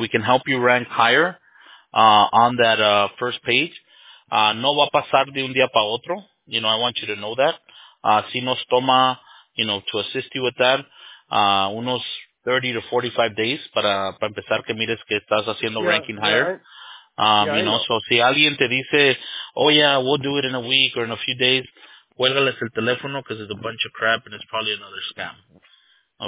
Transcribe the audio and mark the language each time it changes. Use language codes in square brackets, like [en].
[en] We can help you rank higher on that first page. [es] No va a pasar de un día para otro. [en] You know, I want you to know that. [es] Si nos toma, [en] you know, to assist you with that, unos 30 to 45 days [es] para empezar que mires que estás haciendo [en] ranking higher. Yeah, you know. So si alguien te dice, oh yeah, we'll do it in a week or in a few days, [es] cuélgales el teléfono [en] because it's a bunch of crap and it's probably another scam.